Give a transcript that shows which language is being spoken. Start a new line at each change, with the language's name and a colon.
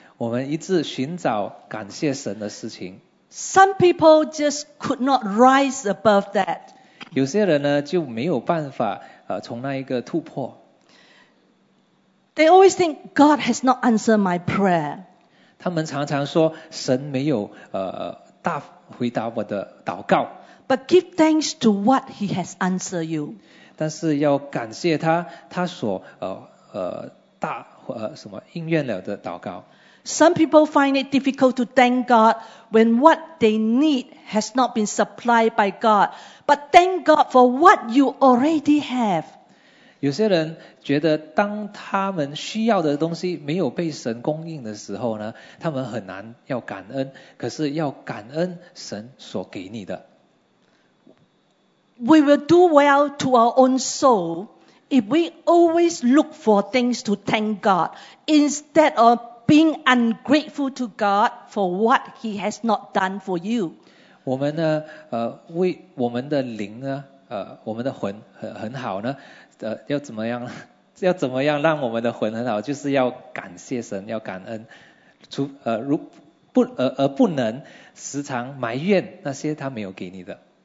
Chinese: 我们一直寻找感谢神的事情。
English: Some people just could not rise above that.
Chinese: 有些人呢就没有办法从那一个突破。
English: They always think God has not answered my prayer.
Chinese: 他们常常说神没有大回答我的祷告。
English: But give thanks to what He has answered you.
Chinese: 但是要感谢他，他所什么应验了的祷告。
English: Some people find it difficult to thank God when what they need has not been supplied by God. But thank God for what you already have.
Chinese: 有些人觉得当他们需要的东西没有被神供应的时候呢，他们很难要感恩，可是要感恩神所给你的。
English: We will do well to our own soul if we always look for things to thank God instead of being ungrateful to God for what He has not done for you.
Chinese: 我们呢为我们的灵呢我们的魂 很好呢要怎么样让我们的魂很好，就是要感谢神，要感恩，而不能时常埋怨那些他没有给你的。